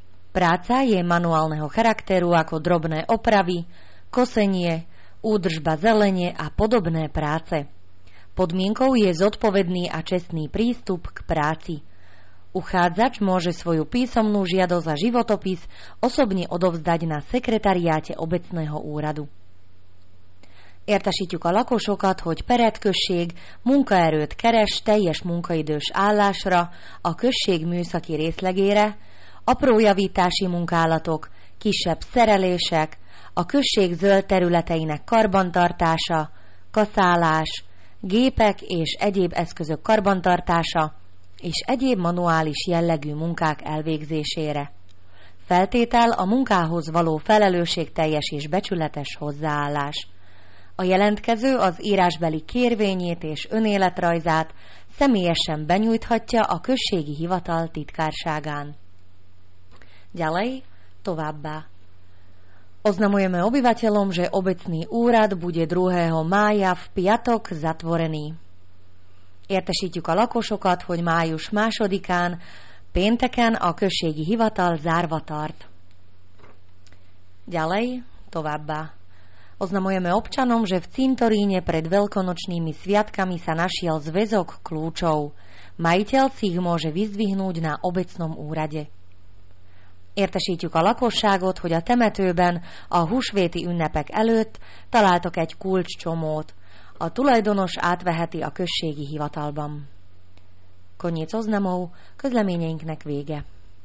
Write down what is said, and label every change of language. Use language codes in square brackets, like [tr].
[sk] Práca je manuálneho charakteru ako drobné opravy, kosenie, údržba zelene a podobné práce. Podmienkou je zodpovedný a čestný prístup k práci. Uchádzač môže svoju písomnú žiadosť a životopis osobne odovzdať na sekretariáte obecného úradu. [hu] Értesítjük a lakosokat, hogy peretkösség munkaerőt keres teljes munkaidős állásra a község műszaki részlegére, apró javítási munkálatok, kisebb szerelések, a község zöld területeinek karbantartása, kaszálás, gépek és egyéb eszközök karbantartása és egyéb manuális jellegű munkák elvégzésére. Feltétel a munkához való felelősségteljes és becsületes hozzáállás. A jelentkező az írásbeli kérvényét és önéletrajzát személyesen benyújthatja a községi hivatal titkárságán. [sk] Ďalej, [hu] továbbá. [sk] Oznamujeme obyvateľom, že obecný úrad bude 2. mája v piatok zatvorený. [hu] Értesítjük a lakosokat, hogy május 2-án, pénteken a községi hivatal zárva tart. [sk] Ďalej, [hu] továbbá. [sk] Oznamujeme občanom, že v cintoríne pred veľkonočnými sviatkami sa našiel zväzok kľúčov. Majiteľ si ich môže vyzdvihnúť na obecnom úrade. [hu] Értesítjük a lakosságot, hogy a temetőben a húsvéti ünnepek előtt találtak egy kulcscsomót. A tulajdonos átveheti a községi hivatalban. [sk] Koniec oznamov, [hu] közleményeinknek vége.